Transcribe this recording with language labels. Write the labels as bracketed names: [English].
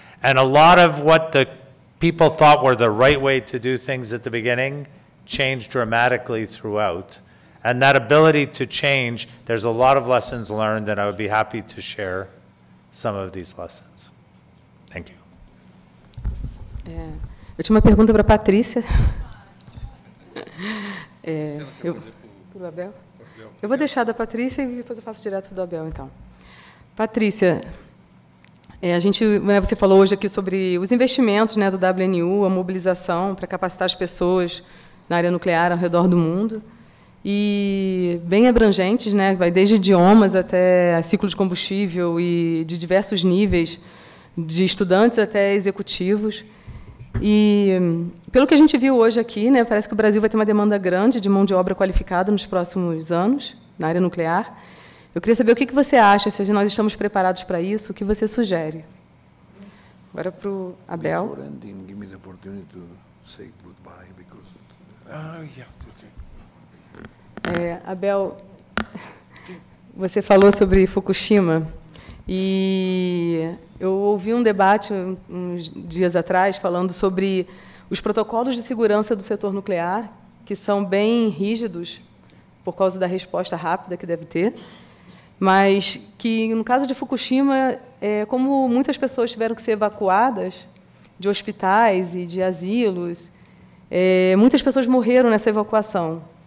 [English] And a lot of what the people thought were the right way to do things at the beginning changed dramatically throughout. And that ability to change, there's a lot of lessons learned, and I would be happy to share some of these lessons. Thank you. [Portuguese] Eu tinha uma pergunta para a Patrícia. Para o Abel? Eu vou deixar da Patrícia e depois eu faço direto do Abel, então. Patrícia, a gente, você falou hoje aqui sobre os investimentos, né, do WNU, a mobilização para capacitar as pessoas na área nuclear ao redor do mundo, e bem abrangentes, né, vai desde idiomas até ciclo de combustível e de diversos níveis, de estudantes até executivos. E, pelo que a gente viu hoje aqui, né, parece que o Brasil vai ter uma demanda grande de mão de obra qualificada nos próximos anos na área nuclear. Eu queria saber o que você acha, se nós estamos preparados para isso, o que você sugere. Agora para o Abel. [English] Before ending, give me the opportunity to say goodbye because... [Portuguese] Abel, você falou sobre Fukushima e eu ouvi um debate uns dias atrás falando sobre os protocolos de segurança do setor nuclear, que são bem rígidos por causa da resposta rápida que deve ter, mas que, no caso de Fukushima, como muitas pessoas tiveram que ser evacuadas de hospitais e de asilos, muitas pessoas morreram nessa evacuação.